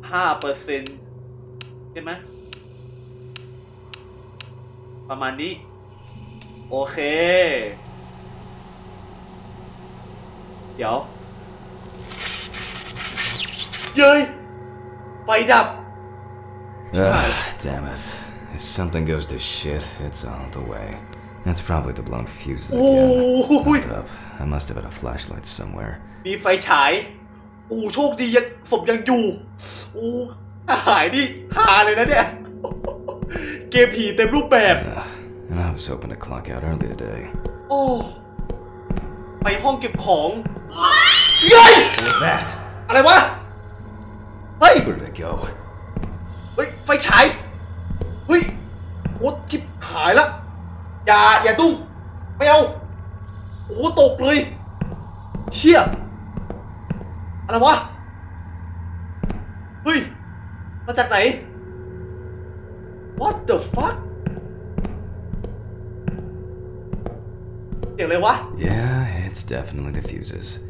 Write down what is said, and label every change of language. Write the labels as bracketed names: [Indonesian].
[Thai] 75% ใช่ไหมประมาณนี้โอเคเดี๋ยวเย้ยไฟดับ [English] damn it. If something goes to shit, it's on the way. That's probably the blown fuse again. Oh, up. I must have had a flashlight somewhere. [Thai] มีไฟฉายโอ้โชคดีศพยังอยู่โอ้หายดิหาเลยนะเนี่ยเกมผีเต็มรูปแบบ [English] And I was hoping to clock out early today. [Thai] Oh, ไปห้องเก็บของ [English] What was that? [Thai] อะไรวะ Hey, [English] where did it go? [Thai] Hey, ไฟฉาย Hey, โอ้ชิบหายละอย่าตุ้งไม่เอาโอ้ตกเลยเชี่ยอะไรวะ Hey, มาจากไหน [English] What the fuck? Yeah, it's definitely the fuses.